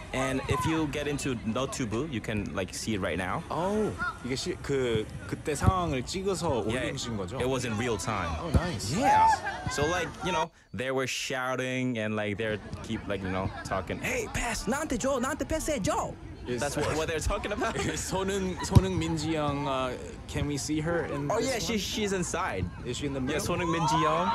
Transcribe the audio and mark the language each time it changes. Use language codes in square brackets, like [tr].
[en] and if you get into Notubu, you can like see it right now. [ko] Oh, 이게 그때 상황을 찍어서 올린 거죠? [en] It was in real time. Oh, nice. Yeah. So like, you know, they were shouting and like they're keep like, you know, talking. Hey, pass, 나한테 줘, 나한테 패스해 줘. That's what they're talking about. Son Heung-min Ji-young, can we see her in Oh yeah, she's inside. Is she in the middle? Yeah, Son Heung-min Ji-young.